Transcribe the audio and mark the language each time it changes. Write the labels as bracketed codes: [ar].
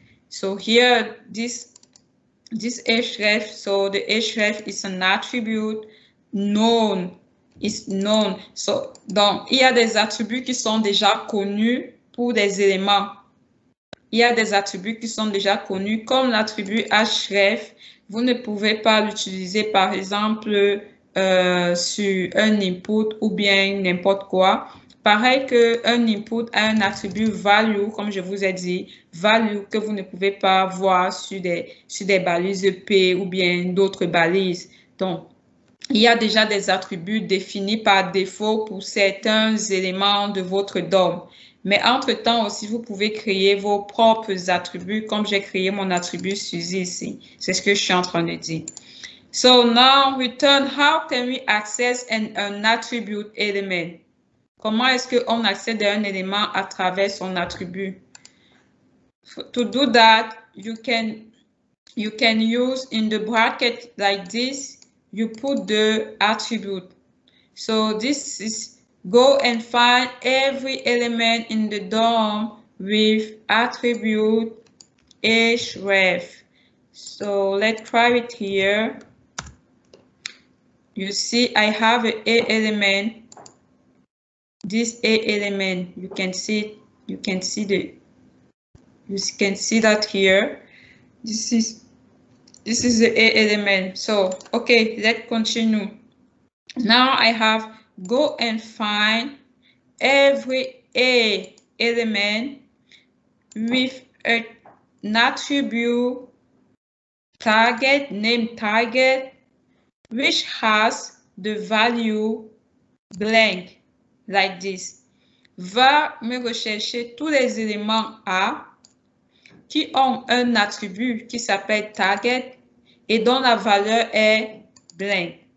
[en] So here, this href, so the href is an attribute known, is known. [fr] So, donc, il y a des attributs qui sont déjà connus pour des éléments. Il y a des attributs qui sont déjà connus, comme l'attribut href. Vous ne pouvez pas l'utiliser, par exemple, sur un input ou bien n'importe quoi. Pareil qu'un input a un attribut value, comme je vous ai dit, value que vous ne pouvez pas voir sur des balises P ou bien d'autres balises. Donc, il y a déjà des attributs définis par défaut pour certains éléments de votre DOM. Mais entre-temps aussi, vous pouvez créer vos propres attributs, comme j'ai créé mon attribut Suzy ici. C'est ce que je suis en train de dire. [en] So now, return, how can we access an attribute element? [fr] Comment est-ce qu'on accède à un élément à travers son attribut? [en] To do that, you can use in the bracket like this, you put the attribute. So this is... Go and find every element in the DOM with attribute href. So let's try it here. You see, I have an A element. This A element, you can see that here. This is the A element. So, okay, let's continue. Now I have go and find every A element with an attribute target, name target, which has the value blank, like this. [fr] Va me rechercher tous les éléments A qui ont un attribut qui s'appelle target et dont la valeur est blank.